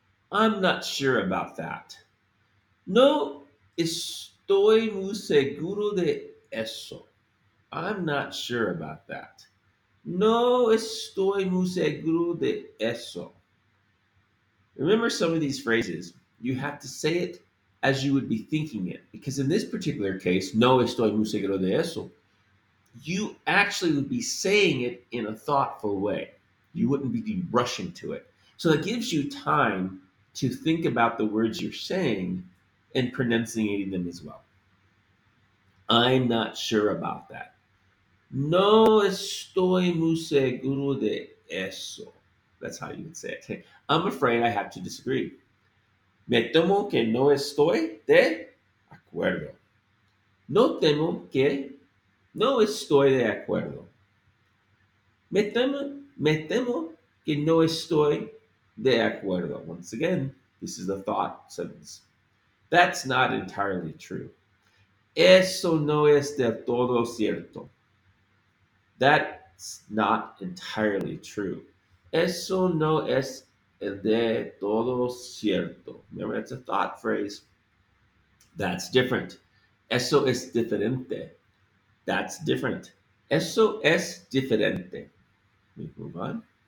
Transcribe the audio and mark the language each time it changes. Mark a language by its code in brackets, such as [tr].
[en] I'm not sure about that. [es] No estoy muy seguro de eso. [en] I'm not sure about that. [es] No estoy muy seguro de eso. [en] Remember some of these phrases. You have to say it as you would be thinking it. Because in this particular case, [es] no estoy muy seguro de eso, [en] you actually would be saying it in a thoughtful way. You wouldn't be rushing to it. So it gives you time to think about the words you're saying and pronunciating them as well. I'm not sure about that. [es] No estoy muy seguro de eso. [en] That's how you would say it. I'm afraid I have to disagree. [es] Me temo que no estoy de acuerdo. No temo que no estoy de acuerdo. Me temo que no estoy de acuerdo. [en] Once again, this is a thought sentence. That's not entirely true. [es] Eso no es del todo cierto. [en] That's not entirely true. [es] Eso no es de todo cierto. [en] Remember, that's a thought phrase. That's different. [es] Eso es diferente. [en] That's different. [es] Eso es diferente. [en] We move on.